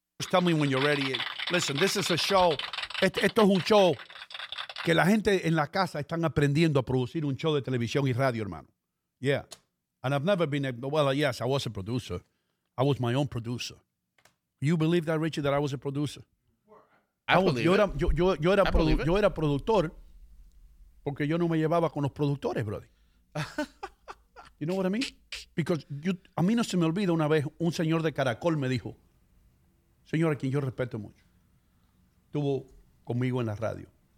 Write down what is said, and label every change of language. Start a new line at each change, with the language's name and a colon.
English: Tell me when you're ready. Listen, this is a show.
Spanish: Esto es un show que la gente en la casa están aprendiendo a producir un show de televisión y radio, hermano. Yeah.
English: And I've never been a, well, yes, I was a producer. I was my own producer. You believe that, Richie, that I was a producer?
Spanish: Yo era productor porque yo no me llevaba con los productores, brother.
English: You know what I mean? Because you,
Spanish: a mí no se me olvida una vez un señor de Caracol me dijo, señor, a quien yo respeto mucho, estuvo conmigo en la radio.